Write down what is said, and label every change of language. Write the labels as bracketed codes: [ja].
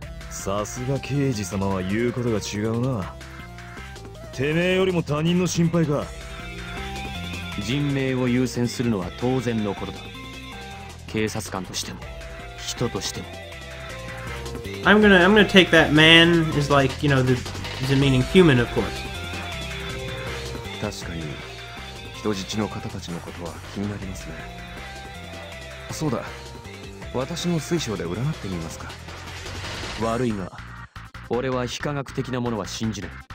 [ja] さすが刑事様は言うことが違うな。てめえよりも他人の心配か。人命を優先するのは当然のことだ。警察官としても、人としても。 [en] I'm gonna take that man as like, you know, the meaning human, of course. [ja] 確かに。人質の方たちのことは気になりますね。そうだ、私の水晶で占ってみますか。悪いが、俺は非科学的なものは信じない。